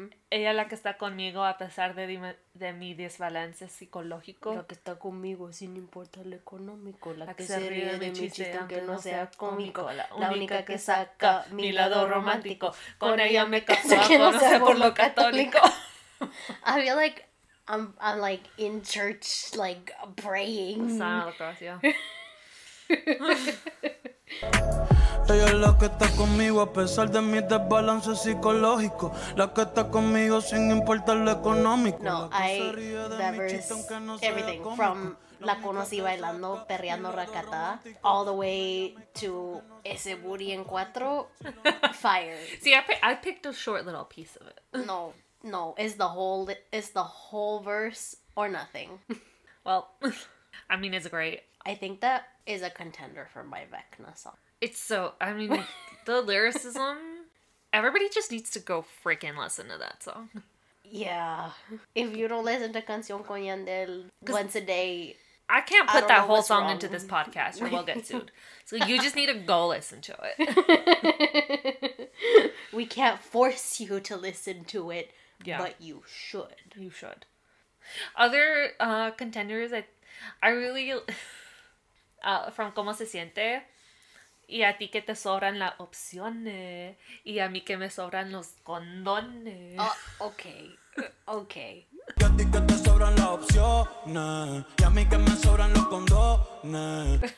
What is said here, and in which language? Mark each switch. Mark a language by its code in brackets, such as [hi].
[es] Ella es la que está conmigo a pesar de mi desbalance psicológico. La que está conmigo sin importar lo económico. La que se ríe de mi chiste aunque no sea cómico. La única que saca mi lado romántico. Con ella me casó a no sea por lo católico. [en] I feel like I'm like in church, like praying. [es] Ella es la que está conmigo a pesar de mi desbalance psicológico. La que está conmigo sin importar lo económico. [en] No, I, that verse, everything. [es] From La conocí bailando, perreando racata, [en] all the way to [es] ese booty en cuatro, fire. [en] See, I picked a short little piece of it. No, no, it's the whole verse or nothing. Well, I mean, it's great. I think that is a contender for my Vecna song. It's so, I mean, the lyricism, everybody just needs to go freaking listen to that song. Yeah. If you don't listen to Canción con Yandel once a day, I can't put that whole song into this podcast or we'll get sued. So you just need to go listen to it. We can't force you to listen to it, yeah. But you should. You should. Other contenders, I really, from [es] Cómo Se Siente, y a ti que te sobran las opciones, y a mí que me sobran los condones. [en] Okay. [es] Y a ti que te sobran las opciones, y a mí que me sobran los condones.